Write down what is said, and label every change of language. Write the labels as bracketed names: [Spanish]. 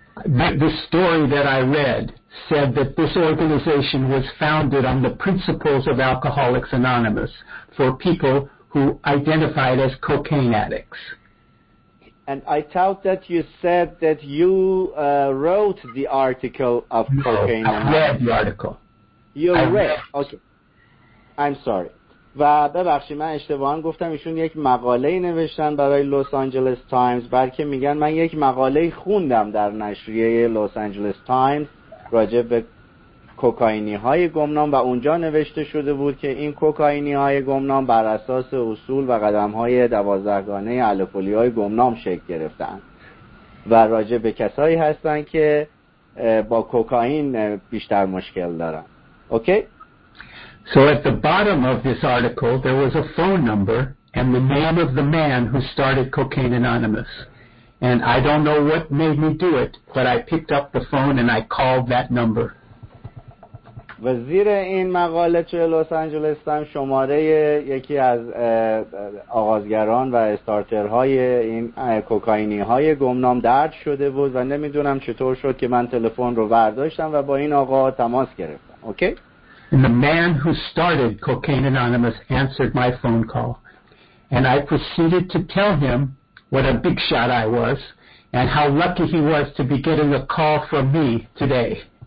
[English] The story that I read said that this organization was founded on the principles of Alcoholics Anonymous for people who identified as cocaine addicts. And I thought that you said that you wrote the article of cocaine. No, I read the article. You read. Okay. I'm sorry. [Persian] و ببخشید من اشتباهاً گفتم ایشون یک مقاله نوشتن برای لس آنجلس تایمز، بلکه میگن من یک مقاله خوندم در نشریه لس آنجلس تایمز راجع به کوکائینی های گمنام و اونجا نوشته شده بود که این کوکائینی های گمنام بر اساس اصول و قدم های 12 گانه الکلی های گمنام شکل گرفتن و راجع به کسایی هستن که با کوکائین بیشتر مشکل دارن. [English] Okay? So at the bottom of this article, there was a phone number and the name of the man who started Cocaine Anonymous. And I don't know what made me do it, but I picked up the phone and I called that number. [Persian] وزیر این مقاله توی لس آنجلس هم شماره یکی از آغازگران و استارترهای این کوکائینی های گمنام درج شده بود و نمیدونم چطور شد که من تلفن رو برداشتم و با این آقا تماس گرفتم. [English] Okay? And the man who started Cocaine Anonymous answered my phone call. And I proceeded to tell him what a big shot I was and how lucky he was to be getting a call from me today.